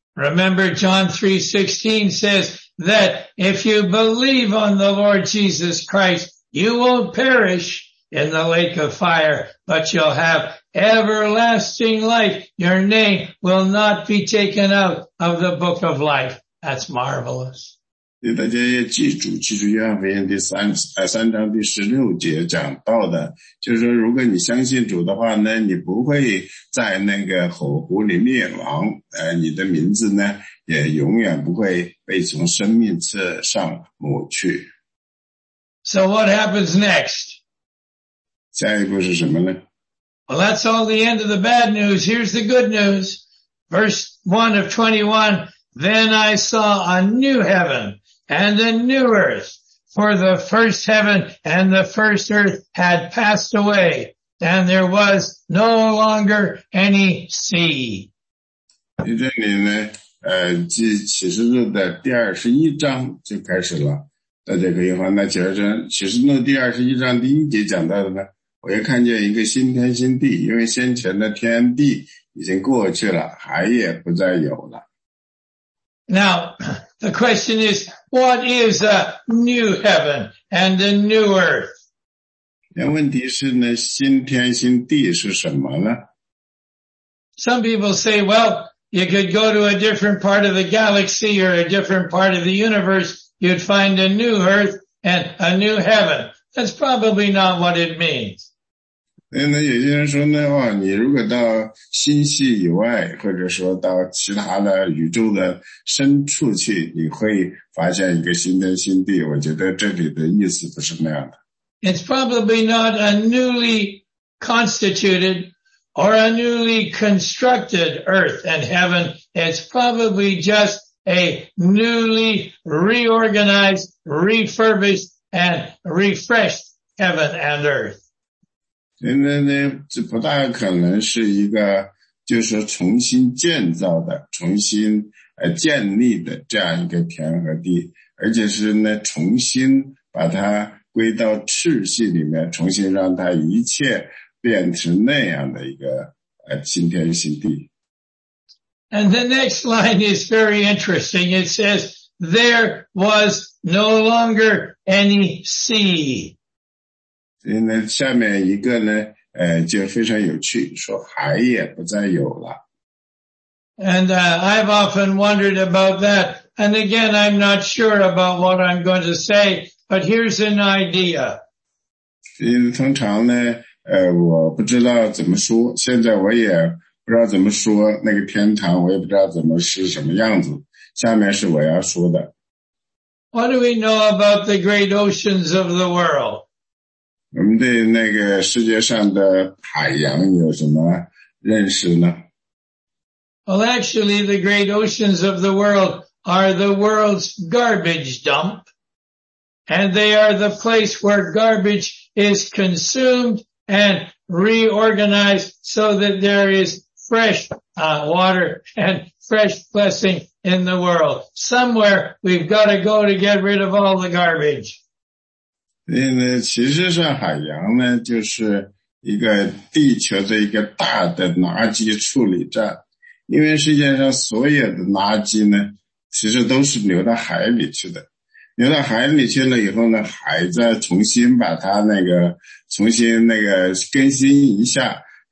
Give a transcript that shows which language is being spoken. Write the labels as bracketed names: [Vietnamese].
[English] Remember John 3:16 says that if you believe on the Lord Jesus Christ, you won't perish in the lake of fire, but you'll have everlasting life. Your name will not be taken out of the book of life. That's marvelous. [Chinese] 大家也记住，记住约翰福音第三章第十六节讲到的，就是说如果你相信主的话呢，你不会在那个火湖里灭亡，你的名字呢也永远不会被从生命册上抹去。 [English] So what happens next? [Chinese] 下一步是什么呢？ [English] Well, that's all the end of the bad news. Here's the good news. Verse 1 of 21, Then I saw a new heaven. And a new earth, for the first heaven and the first earth had passed away, and there was no longer any sea. [Chinese] 这里呢，即启示录的第二十一章就开始了。大家可以翻到启示录第二十一章第一节讲到的呢，我又看见一个新天新地，因为先前的天地已经过去了，海也不再有了。 [English] Now, the question is, what is a new heaven and a new earth? [Chinese] 那问题是呢，新天新地是什么呢？ [English] Some people say, well, you could go to a different part of the galaxy or a different part of the universe, you'd find a new earth and a new heaven. That's probably not what it means. [Chinese] 那有些人说呢，哇，你如果到星系以外，或者说到其他的宇宙的深处去，你会发现一个新天新地。我觉得这里的意思不是那样的。 [English] It's probably not a newly constituted or a newly constructed earth and heaven. It's probably just a newly reorganized, refurbished, and refreshed heaven and earth. [Chinese] 那这不大可能是一个，就是重新建造的、重新建立的这样一个天和地，而且是呢重新把它归到秩序里面，重新让它一切变成那样的一个新天新地。 [English] And the next line is very interesting. It says, "There was no longer any sea." [Chinese] 那下面一个呢，就非常有趣，说海也不再有了。 [English] And I've often wondered about that. And again, I'm not sure about what I'm going to say, but here's an idea. [Chinese] 通常呢，我不知道怎么说，现在我也不知道怎么说那个天堂，我也不知道怎么是什么样子。下面是我要说的。 [English] What do we know about the great oceans of the world? [Chinese] 我们对那个世界上的海洋有什么认识呢？ [English] Well, actually, the great oceans of the world are the world's garbage dump, and they are the place where garbage is consumed and reorganized so that there is fresh water and fresh blessing in the world. Somewhere we've got to go to get rid of all the garbage. [Chinese] 其实上海洋呢，就是一个地球的一个大的垃圾处理站，因为世界上所有的垃圾呢，其实都是流到海里去的，流到海里去了以后呢，海再重新把它那个重新那个更新一下，